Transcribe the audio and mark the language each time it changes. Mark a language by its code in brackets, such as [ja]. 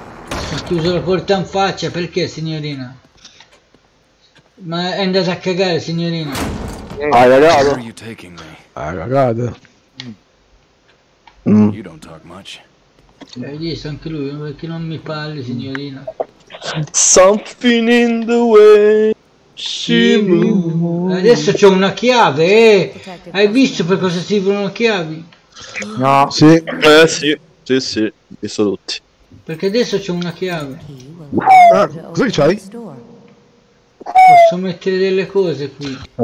[it] Ho chiuso la porta in faccia, perché signorina? Ma è andata a cagare signorina. Hai cagato? Hai cagato? [en] You don't talk much. [it] Hai visto anche lui, perché non mi parli signorina? [en] Something in the way she moves. [it] Adesso c'ho una chiave, hai visto per cosa servono le chiavi? No, sì. Sì, visto tutti. Perché adesso c'ho una chiave. Cosa c'hai? Posso mettere delle cose qui.